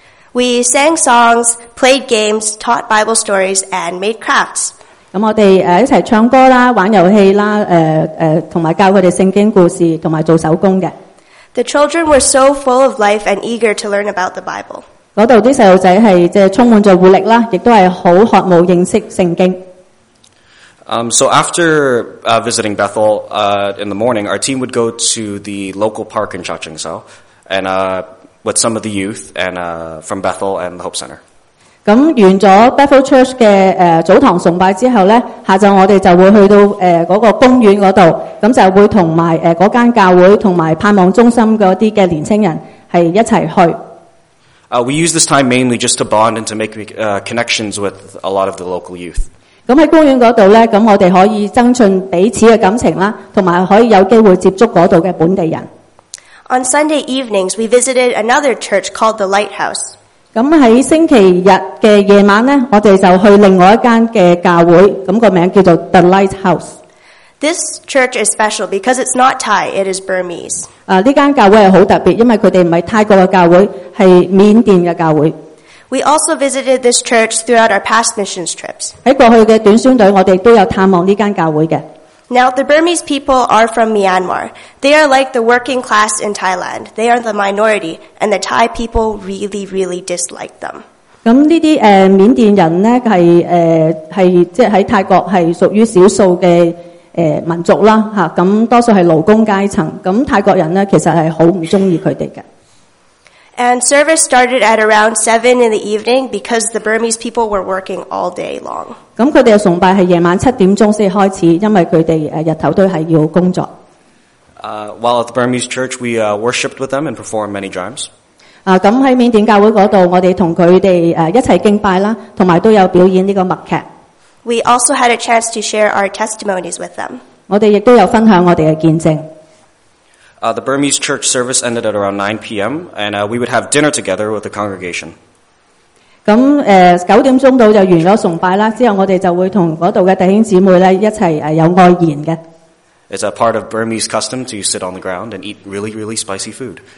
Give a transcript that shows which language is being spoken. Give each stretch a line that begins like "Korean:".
English: We sang songs, played games, taught Bible stories, and made crafts.
Cantonese: 咁我哋一齐唱歌啦，玩游戏啦，同埋教佢哋圣经故事，同埋做手工嘅。
English: The children were so full of life and eager to learn about the Bible.
Cantonese: 嗰度啲细路仔系即系充满咗活力啦，亦都系好渴慕认识圣经。
English: So after visiting Bethel in the morning, our team would go to the local park in Chachengsao and with some of the youth and from Bethel and the Hope Center.
Cantonese: 咁完咗 Bethel Church 嘅早堂崇拜之后呢，下昼我哋就会去到嗰个公园嗰度，咁就会同埋嗰间教会同埋盼望中心嗰啲嘅年轻人係一起去。
English: We use this time mainly just to bond and to make connections with a lot of the local youth.
Cantonese: 咁喺公园嗰度呢，咁我哋可以增进彼此嘅感情啦，同埋可以有机会接触嗰度嘅本地人。
English: On Sunday evenings, we visited another church called the Lighthouse.
Cantonese: 咁喺星期日嘅夜晚咧，我哋就去另外一间嘅教会，咁个名叫做 The Lighthouse。
English: This church is special because it's not Thai; it is Burmese.
Cantonese: 呢间教会系好特别，因为佢哋唔系泰国嘅教会，系缅甸嘅教会。
English: We also visited this church throughout our past missions trips.
Cantonese: 喺过去嘅短宣队，我哋都有探望呢间教会嘅。
English: Now, the Burmese people are from Myanmar. They are like the working class in Thailand. They are the minority, and the Thai people really, really dislike them.
Cantonese: 咁呢啲缅甸人咧系即系喺泰国系属于少数嘅民族啦吓，咁多数系劳工阶层。咁泰国人咧其实系好唔中意佢哋嘅。
English: And service started at around 7 in the evening because the Burmese people were working all day long.
Cantonese: 咁佢哋嘅崇拜系夜晚七点钟先开始，因为佢哋日头都系要工作。
English: While at the Burmese church, we worshipped with them and performed many drums.
Cantonese: 咁喺缅甸教会嗰度，我哋同佢哋一齐敬拜啦，同埋都有表演呢个默剧。
English: We also had a chance to share our testimonies with them.
Cantonese: 我哋亦都有分享我哋嘅见证。
English: The Burmese church service ended at around 9 p.m. and we would have dinner together with the congregation.
Cantonese: 咁九点钟到就完咗崇拜啦，之后我哋就会同嗰度嘅弟兄姊妹咧一齐有爱言嘅。
English: It's a part of Burmese custom to sit on the ground and eat really, really spicy food.